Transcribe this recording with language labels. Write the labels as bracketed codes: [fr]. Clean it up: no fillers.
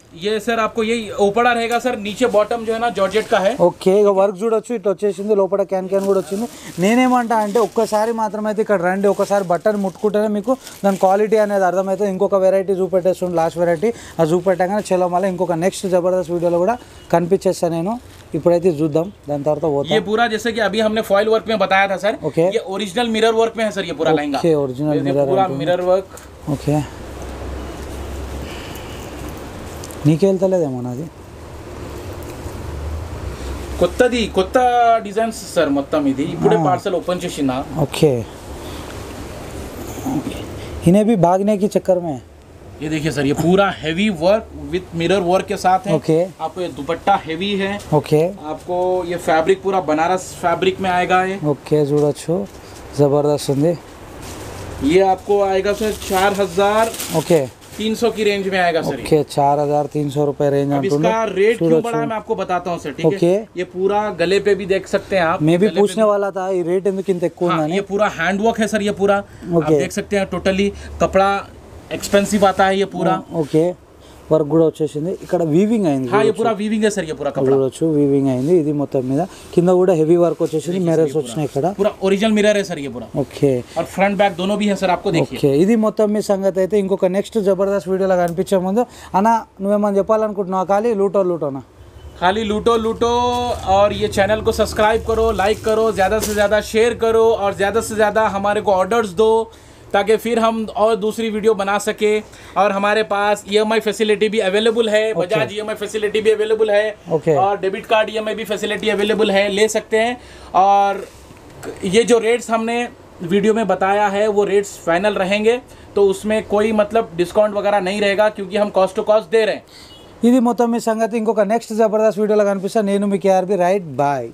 [hi] ये सर आपको ये ओपड़ा रहेगा सर, नीचे बॉटम जो है ना जॉर्जेट का है। [te] ओके, वर्क చూడొచ్చు ఇట్ వచ్చేసింది, లోపల క్యాన్ క్యాన్ కూడా వచ్చింది। నేనేమంటా అంటే ఒక్కసారి మాత్రమే ఇక్కడ రండి, ఒక్కసారి బటన్ ముట్టుకుంటేనే మీకు దాని క్వాలిటీ అనేది అర్థమవుతుంది। ఇంకొక వెరైటీ చూపెట్టేస్తాను, లాస్ట్ వెరైటీ ఆ చూపెట్టగానే చెలమల ఇంకొక నెక్స్ట్ జబర్దస్త్ వీడియోలో కూడా కనిపిచేస్తా నేను, ఇప్పుడైతే చూద్దాం దాని తర్వాత పోతాం। [hi] ये पूरा जैसे कि अभी हमने फॉइल वर्क में बताया था सर। ओके, ये ओरिजिनल मिरर वर्क में है सर, ये पूरा लहंगा। ओके, ओरिजिनल मिरर पूरा मिरर वर्क। [te] ओके, నీకేళ్తలేదేమో నాది, కొత్తది, కొత్త డిజైన్స్ సార్ మొత్తం, ఇది ఇప్పుడే పార్సల్ ఓపెన్ చేసినా। [hi] ఓకే, ఇనే భీ భాగ్నే కి చక్కర్ మే ये देखिए सर, ये पूरा heavy work with mirror work के साथ है। ओके, आपको ये दुपट्टा हैवी है। ओके, आपको ये फैब्रिक पूरा बनारस फैब्रिक में आएगा ये। ओके, जुड़ा छो जबरदस्त है। ये आपको आएगा सर 4000 300 की रेंज में आएगा सर। ओके, 4300 रुपए रेंज। अब इसका रेट क्यों बढ़ा है मैं आपको बताता हूँ सर, ठीक है। ओके, ये पूरा गले पे भी देख सकते हैं आप। मैं भी पूछने वाला था ये रेट ये पूरा हैंडवर्क है सर, ये पूरा आप देख सकते हैं, टोटली कपड़ा एक्सपेंसिव आता है ये पूरा। [te] ओके, వర్క్ కూడా వచ్చేసింది ఇక్కడ వీవింగ్ అయింది వీవింగ్ సార్ చూడొచ్చు వీవింగ్ అయింది ఇది మొత్తం మీద కింద కూడా హెవీ వర్క్ వచ్చేసింది మిర్రర్స్ వచ్చినాయి ఇక్కడ original mirror sir okay [hi] front back Dono భీ హై సార్ ఆప్కో దేఖియే [te] ఓకే ఇది మొత్తం మీ సంగతి అయితే ఇంకొక నెక్స్ట్ జబర్దస్త్ వీడియోలో కనిపించే ముందు అన్న నువ్వేమని చెప్పాలనుకుంటున్నావు ఖాళీ [hi] లూటో లూటోనా खाली लूटो लूटो और ये चैनल को सब्सक्राइब करो लाइक करो ज़्यादा से ज़्यादा शेयर करो और ज़्यादा से ज़्यादा हमारे को ऑर्डर्स दो ताकि फिर हम और दूसरी वीडियो बना सके और हमारे पास ईएमआई फैसिलिटी भी अवेलेबल है बजाज ईएमआई फैसिलिटी भी अवेलेबल है और डेबिट कार्ड ईएमआई भी फैसिलिटी अवेलेबल है ले सकते हैं और ये जो रेट्स हमने वीडियो में बताया है वो रेट्स फाइनल रहेंगे तो उसमें कोई मतलब डिस्काउंट वगैरह नहीं रहेगा क्योंकि हम कॉस्ट टू कॉस्ट दे रहे हैं [te] ఇది మొత్తం మీ సంగతి ఇంకొక నెక్స్ట్ జబర్దస్త్ వీడియోలో కనిపిస్తా నేను మీ కేఆర్బి రైట్ బాయ్